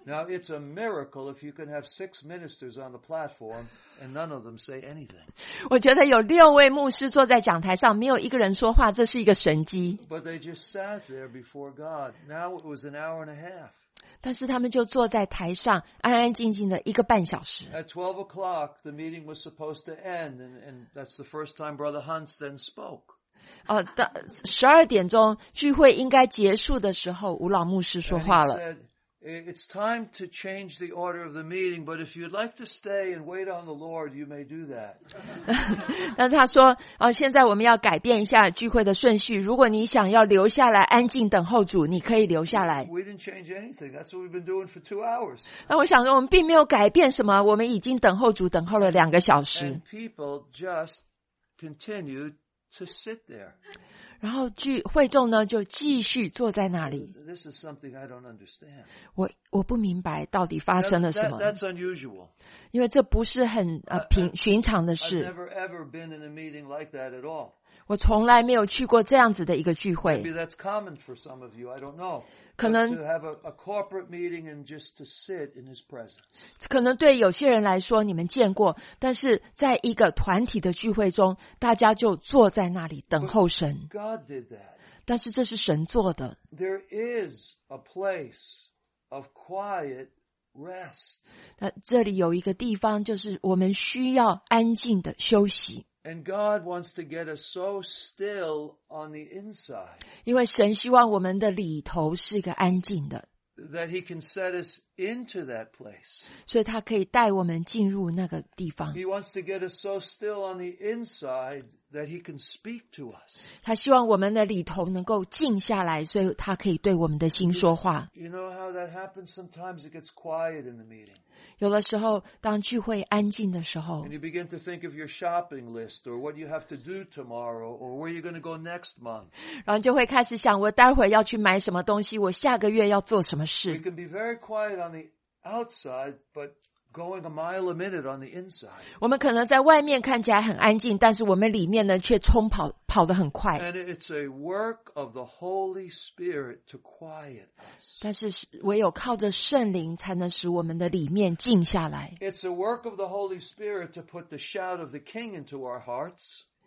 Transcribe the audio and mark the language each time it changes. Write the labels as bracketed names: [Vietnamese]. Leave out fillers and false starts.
[English] Now it's a miracle if you can have six ministers on the platform and none of them say anything. [Chinese] 我觉得有六位牧师坐在讲台上，没有一个人说话，这是一个神迹。 [English] But they just sat there before God. Now it was an hour and a half. [Chinese] 但是他们就坐在台上，安安静静的一个半小时。 [English] At 12 o'clock, the meeting was supposed to end, and that's the first time Brother Hunts then spoke. [Chinese] 12点钟聚会应该结束的时候，吴老牧师说话了。 [English] It's time to change the order of the meeting, but if you'd like to stay and wait on the Lord, you may do that. [Chinese] 但他说，现在我们要改变一下聚会的顺序。如果你想要留下来安静等候主，你可以留下来。 [English] We didn't change anything. That's what we've been doing for 2 hours. [Chinese] 那我想说，我们并没有改变什么，我们已经等候主等候了两个小时。 [English] And people just continued. To sit there. [Chinese] 然后聚会众呢就继续坐在那里。 [English] This is something I don't understand. [Chinese] 我不明白到底发生了什么。 [English] That's unusual. [Chinese] 因为这不是很寻常的事。 [English] I've never ever been in a meeting like that at all. [Chinese] 我从来没有去过这样子的一个聚会。 [English] Maybe that's common for some of you, I don't know. [Chinese] 可能 [English] to have a corporate meeting and just to sit in his presence. [Chinese] 可能对有些人来说你们见过，但是在一个团体的聚会中，大家就坐在那里等候神。 [English] But God did that. [Chinese] 但是这是神做的。 [English] There is a place of quiet rest. [Chinese] 那这里有一个地方，就是我们需要安静的休息。 [English] And God wants to get us so still on the inside. [Chinese] 因为神希望我们的里头是一个安静的。 [English] That he can set us into that place. [Chinese] 所以他可以带我们进入那个地方。 [English] He wants to get us so still on the inside that he can speak to us. [Chinese] 他希望我们的里头能够静下来，所以他可以对我们的心说话。 [English] You know how that happens? Sometimes it gets quiet in the meeting. [Chinese] 有的时候当聚会安静的时候， [English] and you begin to think of your shopping list or what you have to do tomorrow or where you're going to go next month. [Chinese] 然后就会开始想我待会儿要去买什么东西，我下个月要做什么事。 [English] We can be very quiet on the outside, but going a mile a minute on the inside. [Chinese] 我们可能在外面看起来很安静，但是我们里面呢却冲跑跑得很快。 [English] And it's a work of the Holy Spirit to quiet us. [Chinese] 但是唯有靠着圣灵才能使我们的里面静下来。 [English] It's a work of the Holy Spirit to put the shout of the King into our hearts.